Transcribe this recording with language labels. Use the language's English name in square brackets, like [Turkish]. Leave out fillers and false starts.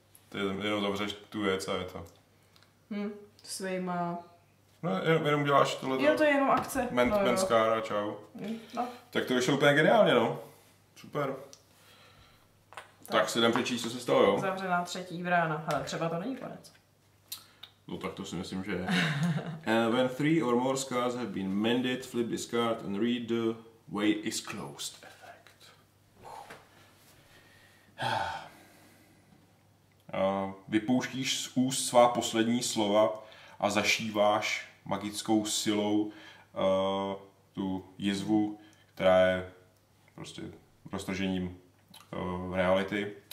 [Czech] Ty jenom zavřeš tu věc a je to. Svejma. No, jenom děláš tohle. Jo, to je jenom akce. Mentskára, no, čau. No. Tak to vyšlo úplně geniálně, no. Super. Tak si jdem přečíst, co se stalo, jo. Zavřená třetí brána. Ale třeba to není konec. No tak to si myslím, že je. [English] And when three or more scars have been mended, flip this card and read the way is closed effect. [Czech] Vypouštíš z úst svá poslední slova a zašíváš magickou silou tu jizvu, která je prostě roztržením reality.